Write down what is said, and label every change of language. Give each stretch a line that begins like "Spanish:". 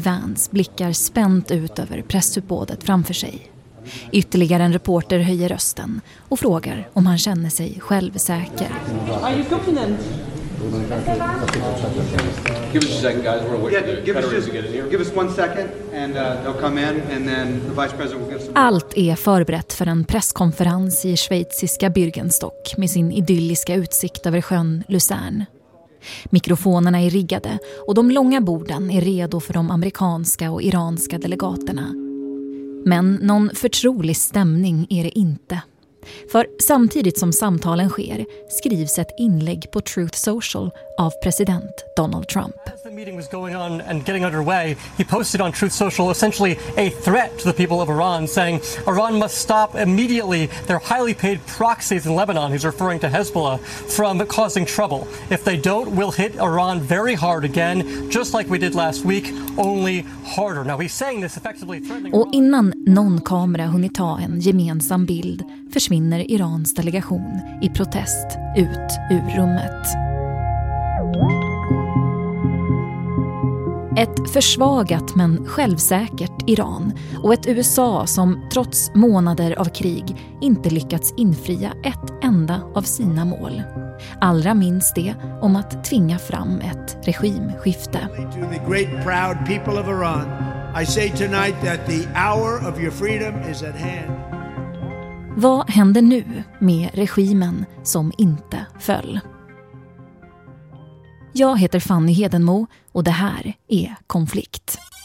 Swedish: Vance blickar spänt ut över pressuppbådet framför sig. Ytterligare en reporter höjer rösten och frågar om han känner sig självsäker.
English: Are you confident? Give us a second, guys. We're waiting. Yeah, give us just, give us one second, and they'll come in, and then the vice president will give some.
Swedish: Allt är förberett för en presskonferens i schweiziska Birkenstock med sin idylliska utsikt över sjön Luzern. Mikrofonerna är riggade och de långa borden är redo för de amerikanska och iranska delegaterna. Men någon förtrolig stämning är det inte. För samtidigt som samtalen sker skrivs ett inlägg på Truth Social av president Donald Trump.
English: As the meeting was going on and getting underway, he posted on Truth Social essentially a threat to the people of Iran, saying Iran must stop immediately their highly paid proxies in Lebanon, he's referring to Hezbollah, from causing trouble. If they don't, we'll hit Iran very hard again, just like we did last week, only harder. Now he's saying this effectively threatening.
Swedish: Och innan någon kamera hunnit ta en gemensam bild försvinner Irans delegation i protest ut ur rummet. Ett försvagat men självsäkert Iran och ett USA som trots månader av krig inte lyckats infria ett enda av sina mål. Allra minst det om att tvinga fram ett regimskifte.
English: To the great proud people of Iran, I say tonight that the hour of your freedom is at hand.
Swedish: Vad händer nu med regimen som inte föll? Jag heter Fanny Hedenmo och det här är Konflikt.